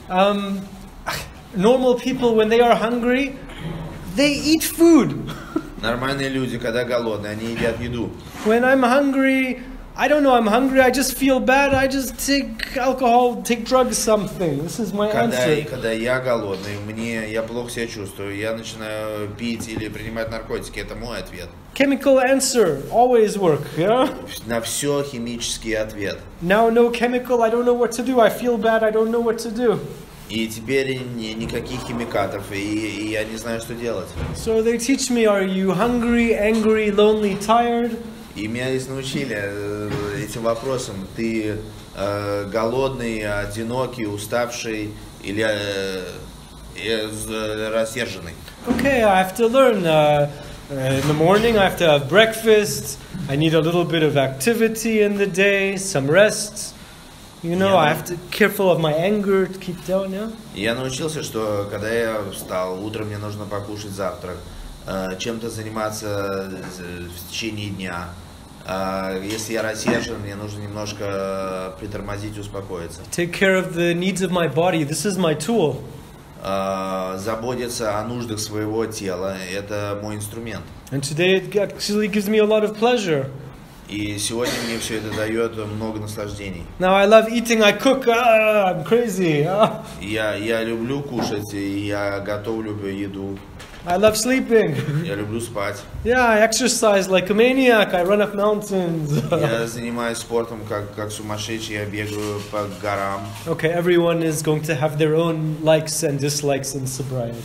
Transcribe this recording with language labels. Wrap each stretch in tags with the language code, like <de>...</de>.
<en>Normal people, when they are hungry, they eat food.</en> <ru>Нормальные люди, когда голодные, они едят еду.</ru> <en>When I'm hungry, I don't know, I'm hungry, I just feel bad, I just take alcohol, take drugs, something. This is my answer.</en> <ru>Когда я голодный, я плохо себя чувствую, я начинаю пить или принимать наркотики, это мой ответ.</ru> <en>Chemical answer always work, yeah?</en> <ru>На все химический ответ.</ru> <en>Now no chemical, I don't know what to do, I feel bad, I don't know what to do.</en> <ru>И теперь никаких химикатов, и я не знаю, что делать.</ru> <en>So they teach me, are you hungry, angry, lonely, tired?</en> <ru>И меня здесь научили этим вопросом. Ты голодный, одинокий, уставший или рассерженный?</ru> <en>Okay, I have to learn. In the morning I have to have breakfast. I need a little bit of activity in the day, some rest. You know, I have to be careful of my anger to keep down, yeah?</en> <ru>Я научился, что когда я встал, утром мне нужно покушать завтрак, чем-то заниматься в течение дня. Если я рассержен, мне нужно немножко притормозить, успокоиться.</ru> <en>Take care of the needs of my body. This is my tool.</en> <ru>Заботиться о нуждах своего тела. Это мой инструмент.</ru> <en>And today it actually gives me a lot of pleasure.</en> <ru>И сегодня мне все это дает много наслаждений.</ru> <en>Now I love eating, I cook, I'm crazy.</en> <ru>Я люблю кушать, я готовлю еду.</ru> <en>I love sleeping.</en> <ru>Я люблю спать.</ru> <en>Yeah, I exercise like a maniac, I run up mountains.</en> <ru>Я занимаюсь спортом как сумасшедший, я бегаю по горам.</ru> <en>Okay, everyone is going to have their own likes and dislikes in sobriety.</en>